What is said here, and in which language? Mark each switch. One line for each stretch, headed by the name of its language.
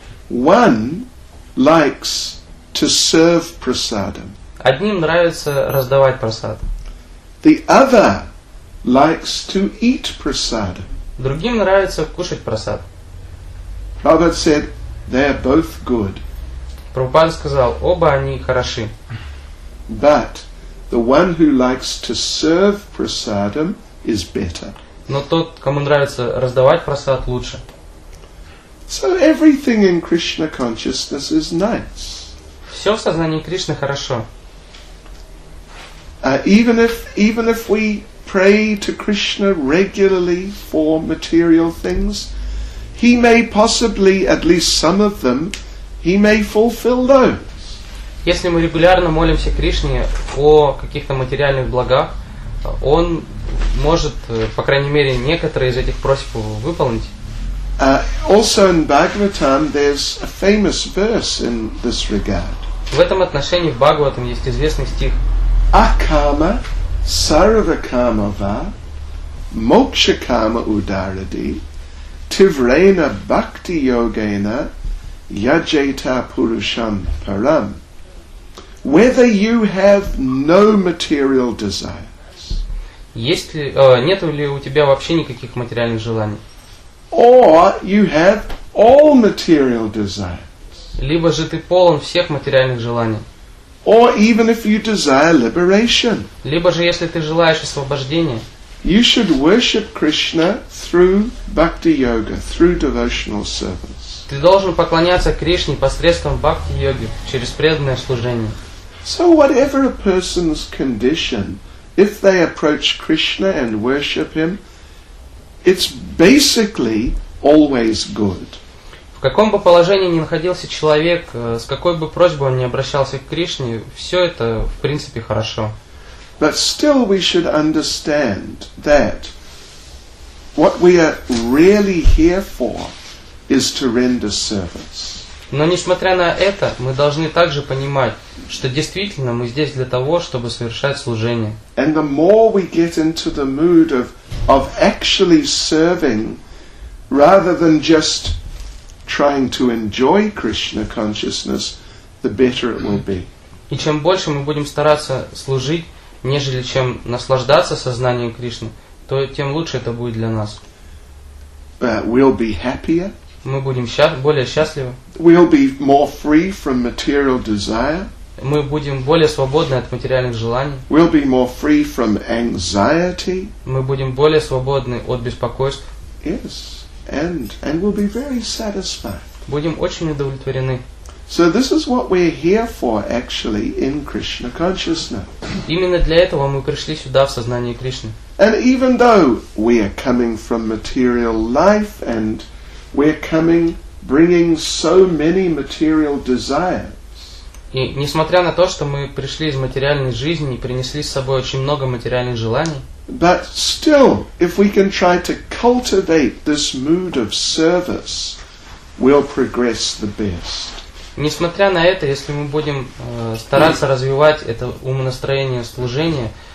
English: One likes to serve prasadam.
Russian: Одним нравится раздавать прасад.
English: The other likes to eat prasad.
Russian: Другим нравится кушать прасад.
English: Prabhupada said they are both good.
Russian: Прабхупада сказал, оба они хороши.
English: But the one who likes to serve prasadam is better.
Russian: Но тот, кому нравится раздавать прасад, лучше.
English: So everything in Krishna consciousness is nice.
Russian: Все в сознании Кришны хорошо.
English: Even if we pray to Krishna regularly for material things, he may possibly, at least some of them, he may fulfill those.
Russian: Если мы регулярно молимся Кришне о каких-то материальных благах, он может, по крайней мере, некоторые из этих просьб выполнить.
English: Also in Bhagavatam there's a famous verse in this regard.
Russian: В этом отношении в Бхагаватам есть известный стих.
Sanskrit: Акама сарвакама ва мокшакама ударади тиврена бхакти йогена яджета пурушам парам.
English: Whether you have no material desires,
Russian: нету ли у тебя вообще никаких материальных желаний,
English: or you have all material desires,
Russian: либо же ты полон всех материальных желаний.
English: Or even if you desire liberation,
Russian: либо же если ты желаешь освобождения,
English: you should worship Krishna through bhakti yoga, through devotional service.
Russian: Ты должен поклоняться Кришне посредством бхакти йоги, через преданное служение.
English: So whatever a person's condition, if they approach Krishna and worship him, it's basically always good.
Russian: В каком бы положении ни находился человек, с какой бы просьбой он ни обращался к Кришне, все это, в принципе, хорошо.
English: But still we should understand that what we are really here for is to render service.
Russian: Но несмотря на это, мы должны также понимать, что действительно мы здесь для того, чтобы совершать служение.
English: And the more we get into the mood of actually serving, rather than just trying to enjoy Krishna consciousness, the better it will be.
Russian: И чем больше мы будем стараться служить, нежели чем наслаждаться сознанием Кришны, то тем лучше это будет для нас.
English: We'll be happier.
Russian: Мы будем более счастливы.
English: We'll be more free from material desire.
Russian: Мы будем более свободны от материальных желаний.
English: We'll be more free from anxiety.
Russian: Мы будем более свободны от беспокойств.
English: Yes. And we'll be very satisfied.
Russian: Будем очень удовлетворены.
English: So this is what we're here for, actually, in Krishna consciousness.
Russian: Именно для этого мы пришли сюда в сознание Кришны.
English: And even though we are coming from material life and we're coming bringing so many material desires.
Russian: И несмотря на то, что мы пришли из материальной жизни и принесли с собой очень много материальных желаний.
English: But still, if we can try to cultivate this mood of service, we'll progress the best.
Russian: Несмотря на это, если мы будем стараться развивать это умонастроение служения,